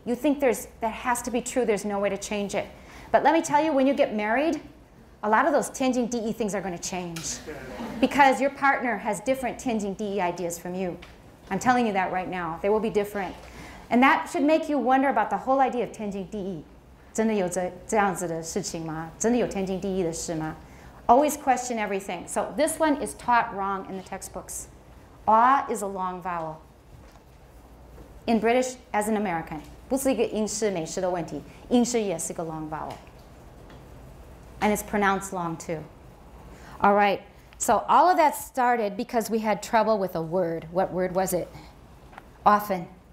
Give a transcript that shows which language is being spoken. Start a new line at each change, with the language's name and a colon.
English: You think that has to be true, there's no way to change it. But let me tell you, when you get married, a lot of those tianjing de things are going to change because your partner has different tianjing de ideas from you. I'm telling you that right now. They will be different. And that should make you wonder about the whole idea of tianjing de.
Chinese: 真的有这样子的事情吗? 真的有tianjing de的事吗?
English: Always question everything. So this one is taught wrong in the textbooks. A is a long vowel. In British, as an American,
Chinese: 不是一个英式美式的问题，英式也是一个 long vowel.
English: And it's pronounced long too. All right, so all of that started because we had trouble with a word. What word was it? Often.